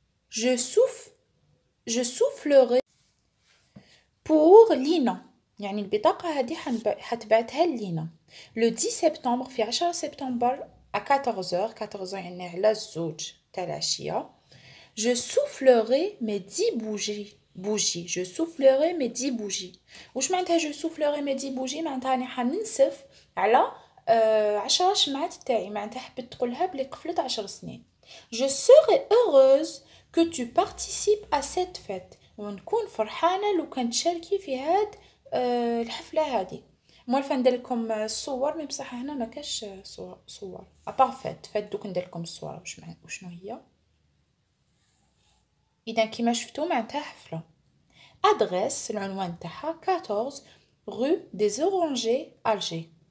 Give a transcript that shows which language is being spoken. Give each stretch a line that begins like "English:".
French: Je soufflerai pour Lina.
Arabic: يعني البطاقة هذه حتبعتها لينا.
French: Le 10 septembre,
Arabic: في 10 septembre, à 14h, 14h يعني على الزوج تاع العشية.
French: Je soufflerai mes 10 bougies. Je soufflerai mes 10 bougies.
Arabic: واش معناتها
French: je soufflerai mes 10 bougies؟
Arabic: معناتها راني حننسف على 10 شمعات تاعي. معناتها حبيت تقولها بلي قفلت 10 سنين.
French: Je serai heureuse que tu participes à cette fête.
Arabic: ونكون فرحانة لو كان تشاركي في هاد الحفلة هادي. موالفة ندير لكم صور مي بصح هنا ما كاش صور. أبار فات. فات دوك ندير لكم الصور وشنو هي. إذا كيما شفتو معناتها حفلة. أدغيس العنوان تاعها 14 رو دي زورونجي ألجي.